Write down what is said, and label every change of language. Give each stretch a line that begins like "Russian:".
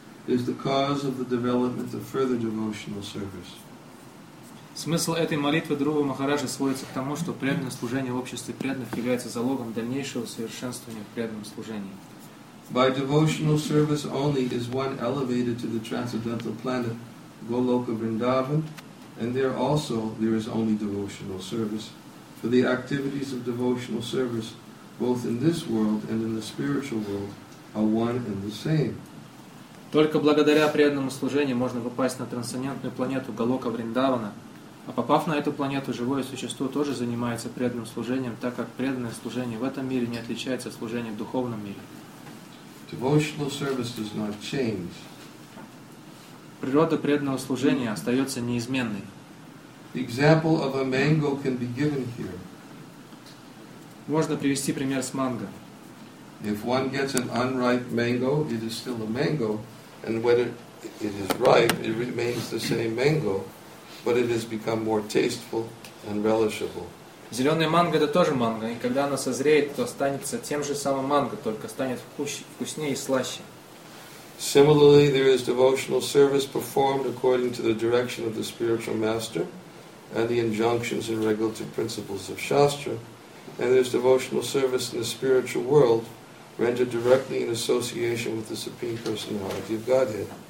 English: is the cause of the development of further devotional service.
Russian: Смысл этой молитвы Друва Махараджа сводится к тому, что преданное служение в обществе преданных является залогом дальнейшего совершенствования в преданном служении.
English: By devotional service only is one elevated to the transcendental planet, Goloka Vrindavan, and there also there is only devotional service. For the activities of devotional service, both in this world and in the spiritual world, are one and the same.
Russian: Только благодаря преданному служению можно попасть на трансцендентную планету Голока Вриндавана, а попав на эту планету, живое существо тоже занимается преданным служением, так как преданное служение в этом мире не отличается от служения в духовном мире.
English: Devotional service does not change.
Russian: Природа преданного служения остается неизменной.
English: The example of a mango can be given here.
Russian: Можно привести пример с манго.
English: If one gets an unripe mango, it is still a mango, and when it is ripe, it remains the same mango, but it has become more tasteful and relishable.
Russian: Зеленая манго — это тоже манго, и когда она созреет, то останется тем же самым манго, только станет вкуснее и слаще.
English: Similarly, there is devotional service performed according to the direction of the spiritual master and the injunctions and regulative principles of Shastra, and there is devotional service in the spiritual world rendered directly in association with the Supreme Personality of Godhead.